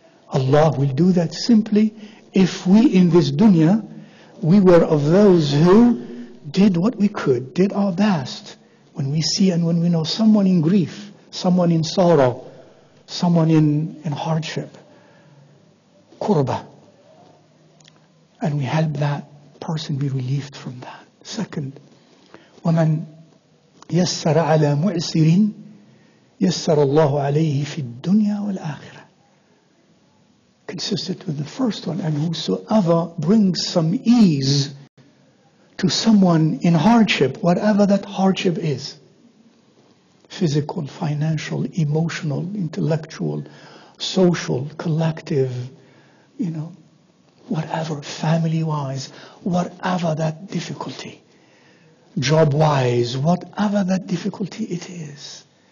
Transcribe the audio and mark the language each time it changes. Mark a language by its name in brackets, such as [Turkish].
[English] Allah will do that simply if we in this dunya, we were of those who did what we could, did our best. When we see and when we know someone in grief, someone in sorrow, someone in hardship, qurba, and we help that person be relieved from that. [Arabic] Second, وَمَنْ يَسَّرَ عَلَى مُعْسِرٍ يَسَّرَ اللَّهُ عَلَيْهِ فِي الدُّنْيَا وَالْآخِرَةِ. [English] Consistent with the first one, and whosoever brings some ease to someone in hardship, whatever that hardship is, physical, financial, emotional, intellectual, social, collective, you know, whatever, family-wise, whatever that difficulty, job-wise, whatever that difficulty it is.